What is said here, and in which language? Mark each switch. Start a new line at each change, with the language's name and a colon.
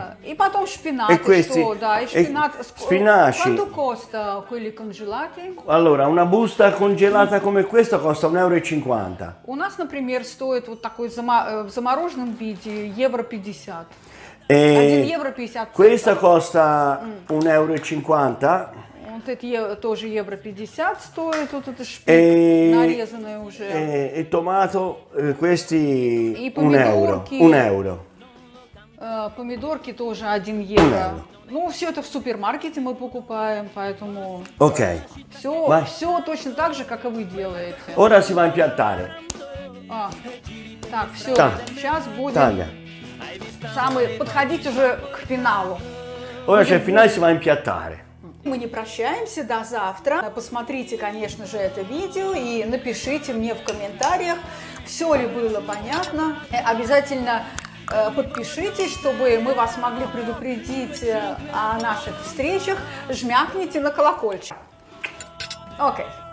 Russian: И потом шпинат, questi, что, да, и шпинат. Спинаци.
Italian: Quanto costa quelli congelati? Allora, una busta congelata come questa costa 1,50 euro.
Russian: У нас, например, стоит вот такой в замороженном виде 1,50 евро. 1,50 евро.
Italian: Questa costa 1,50 euro.
Russian: Вот это тоже 1,50 евро стоит, вот это шпик нарезанный уже. И томато,
Italian: questi 1 euro. 1 euro.
Russian: Помидорки тоже 1 евро. Ну, все это в супермаркете мы покупаем, поэтому... Окей.
English: Okay.
Russian: Все точно так же, как и вы делаете.
Italian: Ora si va a impiantare.
Russian: Так, все, сейчас будем... Taglia. Самый... Подходить уже к финалу.
Italian: Ora c'è il finale, si va a impiantare.
Russian: Мы не прощаемся, до завтра. Посмотрите, конечно же, это видео и напишите мне в комментариях, все ли было понятно. Обязательно... Подпишитесь, чтобы мы вас могли предупредить о наших встречах. Жмякните на колокольчик. Окей.